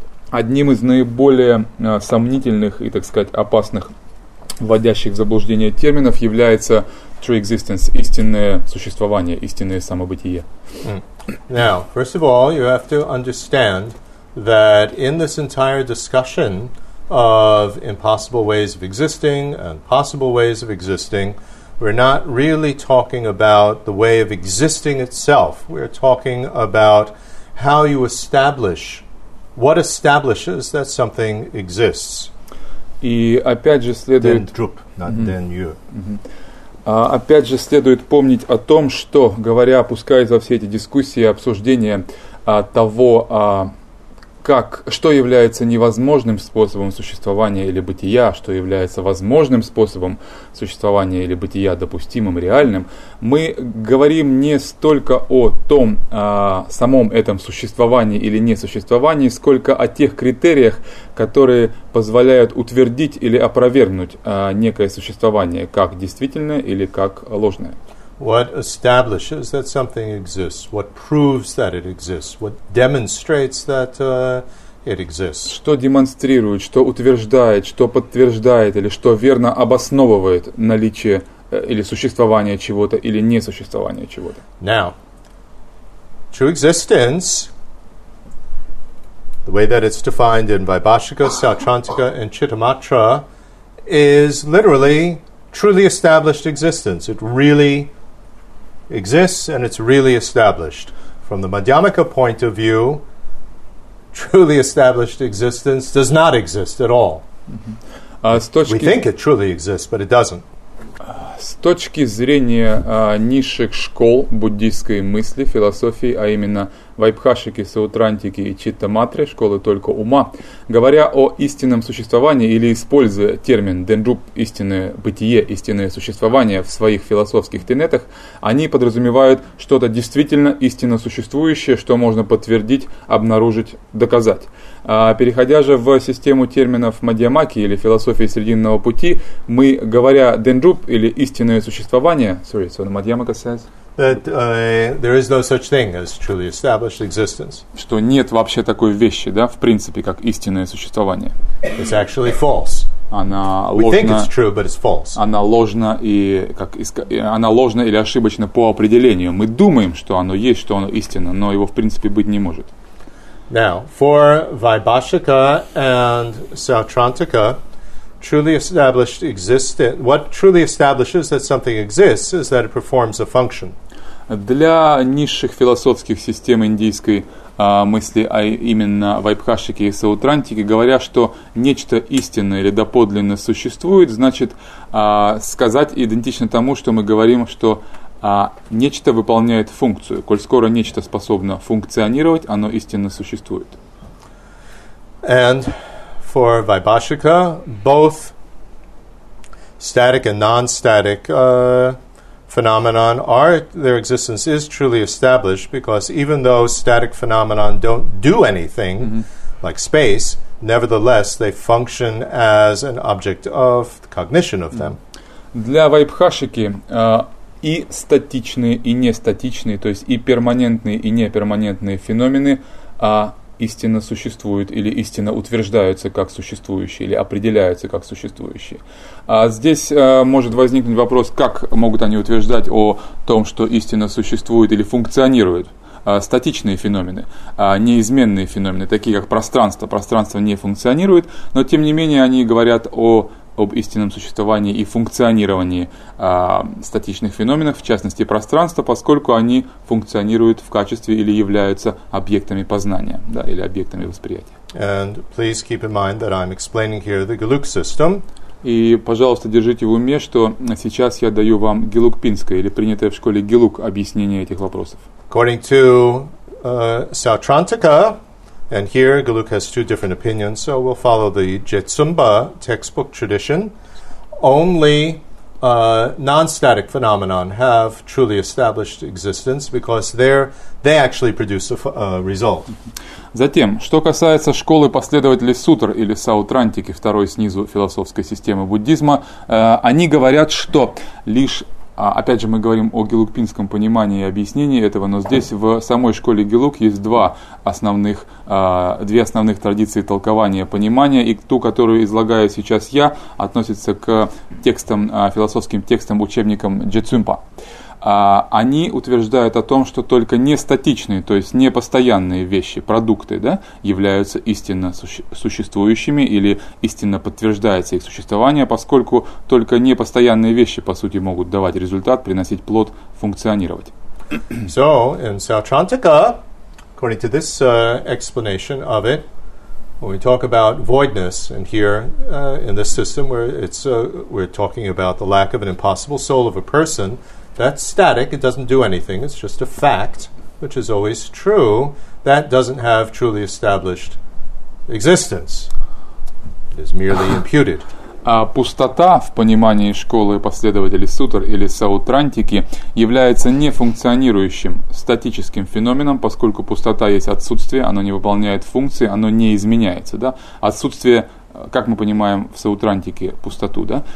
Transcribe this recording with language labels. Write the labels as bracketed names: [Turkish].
[Russian] Одним из наиболее сомнительных и, так сказать, опасных, вводящих в заблуждение терминов является true existence, истинное существование, истинное самобытие. [English] Now, first of all, you have to understand that in this entire discussion of impossible ways of existing and possible ways of existing, we're not really talking about the way of existing itself. We're talking about how you establish what establishes that something exists. [Russian] И опять же следует... Then drup, not mm-hmm. then you. Опять же следует помнить о том, что, говоря, опускаясь во все эти дискуссии, обсуждения того, как, что является невозможным способом существования или бытия, что является возможным способом существования или бытия, допустимым, реальным, мы говорим не столько о том, самом этом существовании или несуществовании, сколько о тех критериях, которые позволяют утвердить или опровергнуть некое существование как действительное или как ложное. [English] What establishes that something exists? What proves that it exists? What demonstrates that it exists? [Russian] Что демонстрирует, что утверждает, что подтверждает или что верно обосновывает наличие или существование чего-то или несуществование чего-то? [English] Now, true existence, the way that it's defined in Vaibhashika, Sautrantika, and Chittamatra, is literally truly established existence. It really exists and it's really established. From the Madhyamaka point of view, truly established existence does not exist at all. We think it truly exists, but it doesn't. [Russian] С точки зрения низших школ буддийской мысли, философии, а именно вайбхашики, саутрантики и читтаматри, школы только ума, говоря о истинном существовании или используя термин денджуб, истинное бытие, истинное существование в своих философских тенетах, они подразумевают что-то действительно истинно существующее, что можно подтвердить, обнаружить, доказать. Переходя же в систему терминов Мадьямаки или философии срединного пути, мы, говоря денджуб или истинное существование, [English] sorry, so [Russian] Мадьямака [English] says, that there is no such thing as truly established existence. [Russian] Что нет вообще такой вещи, да, в принципе, как истинное существование. [English] It's actually false. [Russian] Она [English] we [Russian] ложна, [English] think it's true, but it's false. [Russian] Она ложна и как она ложна или ошибочна по определению. Мы думаем, что оно есть, что оно истинно, но его в принципе быть не может. [English] Now, for Vaibhashika and Sautrantika, truly established existence, what truly establishes that something exists is that it performs a function. [Russian] Для низших философских систем индийской мысли, а именно вайбхашики и саутрантики, говоря, что нечто истинное или доподлинно существует, значит сказать идентично тому, что мы говорим, что нечто выполняет функцию. Коль скоро нечто способно функционировать, оно истинно существует. [English] And for Vaibhashika, both static and non-static phenomenon are, their existence is truly established, because even though static phenomenon don't do anything, mm-hmm. like space, nevertheless, they function as an object of the cognition of them. [Russian] Для Вайбхашики и статичные, и нестатичные, то есть и перманентные, и неперманентные феномены истинно существуют или истинно утверждаются как существующие или определяются как существующие. Здесь может возникнуть вопрос, как могут они утверждать о том, что истинно существует или функционирует. Статичные феномены, неизменные феномены, такие как пространство. Пространство не функционирует, но тем не менее они говорят об истинном существовании и функционировании статичных феноменов, в частности пространства, поскольку они функционируют в качестве или являются объектами познания, да, или объектами восприятия. [English] And please keep in mind that I'm explaining here the Geluk system. [Russian] И, пожалуйста, держите в уме, что сейчас я даю вам гелукпинское или принятое в школе гелук объяснение этих вопросов. [English] According to Sautrantika, and here Geluk has two different opinions, so we'll follow the Jetsumba textbook tradition. Only non-static phenomenon have truly established existence, because they actually produce a result. [Russian] Затем, что касается школы последователей сутр или саутрантики, второй снизу философской системы буддизма, они говорят, что лишь опять же, мы говорим о гелукпинском понимании и объяснении этого, но здесь в самой школе гелук есть две основных традиции толкования понимания, и ту, которую излагаю сейчас я, относится к текстам, философским текстам, учебникам Джецюмпа. Они утверждают о том, что только нестатичные, то есть непостоянные вещи, продукты, да, являются истинно существующими или истинно подтверждается их существование, поскольку только непостоянные вещи, по сути, могут давать результат, приносить плод, функционировать. [English] So, in Sautrantika, according to this explanation of it, when we talk about voidness, and here in this system, where it's we're talking about the lack of an impossible soul of a person, that's static, it doesn't do anything, it's just a fact, which is always true, that doesn't have truly established existence. It is merely imputed. [Russian] А пустота в понимании школы последователей сутр или саутрантики является не функционирующим статическим феноменом, поскольку пустота есть отсутствие, оно не выполняет функции, оно не изменяется. Да? Отсутствие, как мы понимаем в саутрантике, пустоту. Да?